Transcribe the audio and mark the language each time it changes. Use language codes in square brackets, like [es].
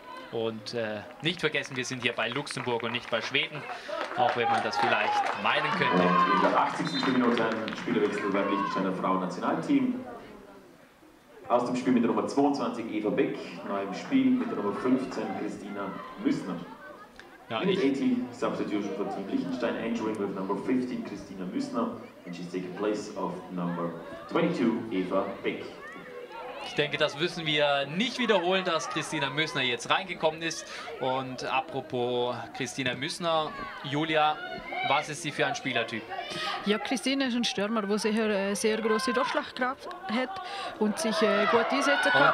[de] Und nicht vergessen, wir sind hier bei Luxemburg und nicht bei Schweden, auch wenn man das vielleicht meinen könnte. Und in der 80. Minute Spielerwechsel beim Liechtensteiner Frauennationalteam. Aus dem Spiel mit der Nummer 22 Eva Beck, neu im Spiel mit der Nummer 15 Christina Müssner. Ja, [en] in 80 Substitution for Team Liechtenstein, entering with number 15 Christina Müssner, and she's taking place of number 22 Eva Beck. [de] Ich denke, das müssen wir nicht wiederholen, dass Christina Müssner jetzt reingekommen ist. Und apropos Christina Müssner, Julia, was ist sie für ein Spielertyp? Ja, Christina ist ein Stürmer, der sicher sehr große Durchschlagskraft hat und sich gut einsetzen kann.